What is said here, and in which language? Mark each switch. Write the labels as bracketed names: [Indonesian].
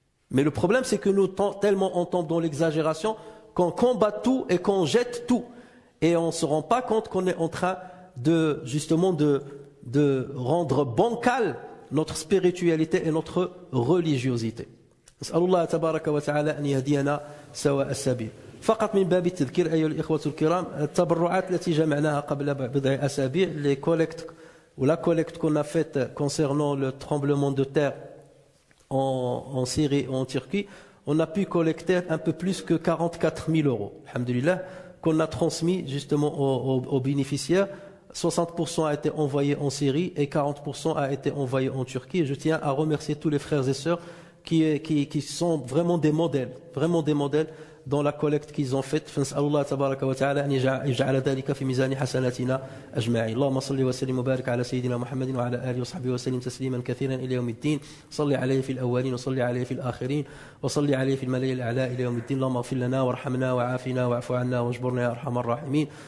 [French] Mais le problème, c'est que nous tellement on tombe dans l'exagération qu'on combat tout et qu'on jette tout. Et on ne se rend pas compte qu'on est en train de, justement, de rendre bancal notre spiritualité et notre religiosité. [Arabic] نسأل الله تبارك وتعالى أن يهدينا سواء السبيل. فقط من باب التذكير أيها الإخوة الكرام، التبرعات التي جمعناها قبل بضع أسابيع، [French] les collectes ou la collecte qu'on a faite concernant le tremblement de terre en Syrie ou en Turquie, on a pu collecter un peu plus que 44 000 euros. Alhamdulillah, qu'on a transmis justement aux bénéficiaires. 60% a été envoyé en Syrie et 40% a été envoyé en Turquie. Et je tiens à remercier tous les frères et sœurs qui sont vraiment des modèles dans la collecte qu'ils ont faite. [Arabic] فنسأل الله تبارك وتعالى أن يجعل ذلك في ميزان حسناتنا أجمعين. اللهم صل وسلم وبارك على سيدنا محمد وعلى آله وصحبه وسلم تسليما كثيرا إلى يوم الدين. صلي عليه في الأولين وصلي عليه في الآخرين وصلي عليه في الملأ الأعلى إلى يوم الدين. اللهم اغفر لنا وارحمنا وعافنا واعف عنا واجبرنا يا أرحم الراحمين.